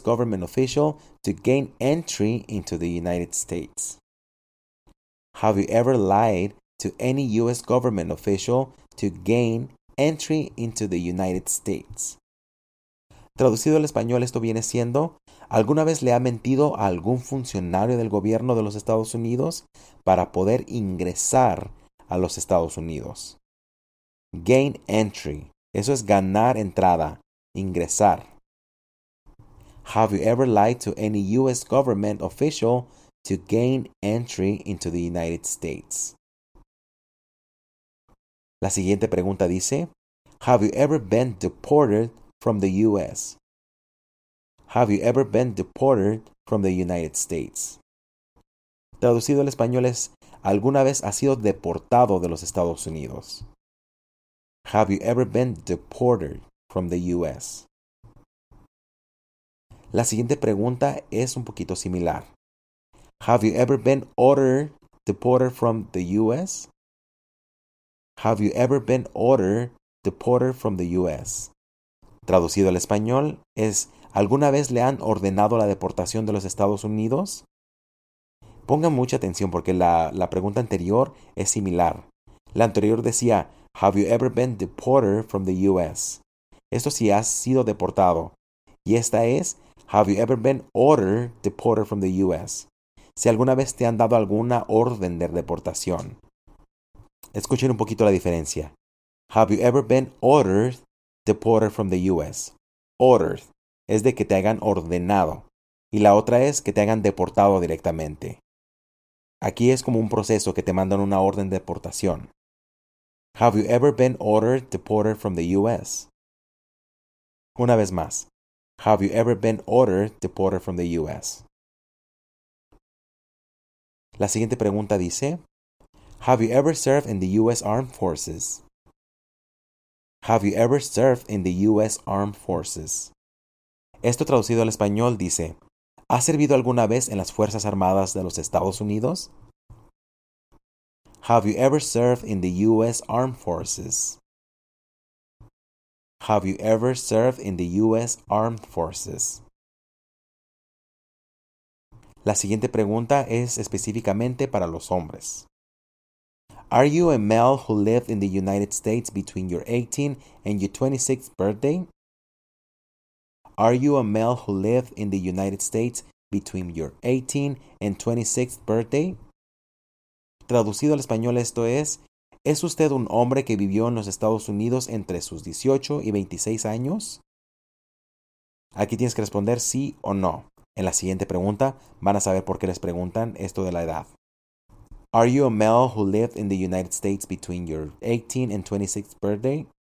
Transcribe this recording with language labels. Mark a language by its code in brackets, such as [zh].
[en] government official to gain entry into the United States? Have you ever lied to any U.S. government official to gain entry into the United States? [es] Traducido al español, esto viene siendo, ¿alguna vez le ha mentido a algún funcionario del gobierno de los Estados Unidos para poder ingresar a los Estados Unidos? Gain entry. Eso es ganar entrada, ingresar. [en] Have you ever lied to any U.S. government official to gain entry into the United States? [es] La siguiente pregunta dice, [en] Have you ever been deported from the U.S.? Have you ever been deported from the United States? [es] Traducido al español es, ¿alguna vez has sido deportado de los Estados Unidos? [en] Have you ever been deported from the U.S.? [es] La siguiente pregunta es un poquito similar. [en] Have you ever been ordered deported from the U.S.? Have you ever been ordered deported from the U.S.? [es] Traducido al español es ¿alguna vez le han ordenado la deportación de los Estados Unidos? Pongan mucha atención porque la pregunta anterior es similar. La anterior decía [en] Have you ever been deported from the U.S.? [es] Esto sí has sido deportado. Y esta es, [en] Have you ever been ordered deported from the U.S.? [es] Si alguna vez te han dado alguna orden de deportación. Escuchen un poquito la diferencia. [en] Have you ever been ordered deported from the U.S.? [es] Ordered es de que te hayan ordenado. Y la otra es que te hayan deportado directamente. Aquí es como un proceso que te mandan una orden de deportación. [en] Have you ever been ordered deported from the U.S.? [es] Una vez más. [en] Have you ever been ordered deported from the U.S.? [es] La siguiente pregunta dice, [en] Have you ever served in the U.S. Armed Forces? Have you ever served in the U.S. Armed Forces? [es] Esto traducido al español dice, ¿Has servido alguna vez en las Fuerzas Armadas de los Estados Unidos? [en] Have you ever served in the U.S. Armed Forces? Have you ever served in the U.S. Armed Forces? [es] La siguiente pregunta es específicamente para los hombres. [en] Are you a male who lived in the United States between your 18th and your 26th birthday? Are you a male who lived in the United States between your 18th and 26th birthday? [es] Traducido al español esto es, ¿Es usted un hombre que vivió en los Estados Unidos entre sus 18 y 26 años? Aquí tienes que responder sí o no. En la siguiente pregunta van a saber por qué les preguntan esto de la edad. [en] Are you a male who lived in the United States between your 18 and 26th birthday?